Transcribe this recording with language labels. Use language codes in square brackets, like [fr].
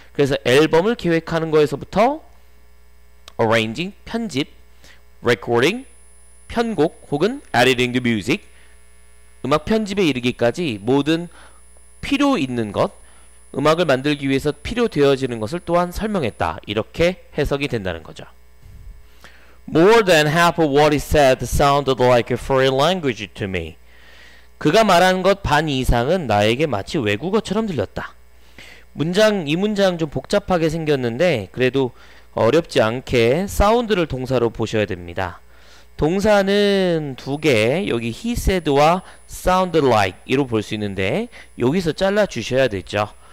[ko] 그래서 앨범을 기획하는 거에서부터 arranging, 편집, recording, 편곡 혹은 [en] editing the music, [ko] 음악 편집에 이르기까지 모든 필요 있는 것, 음악을 만들기 위해서 필요되어지는 것을 또한 설명했다. 이렇게 해석이 된다는 거죠. [en] More than half of what he said sounded like a foreign language to me. [ko] 그가 말한 것 반 이상은 나에게 마치 외국어처럼 들렸다. 문장, 이 문장 좀 복잡하게 생겼는데 그래도 어렵지 않게 사운드를 동사로 보셔야 됩니다. 동사는 두 개, 여기 he said와 sounded like 이로 볼 수 있는데 여기서 잘라주셔야 되죠.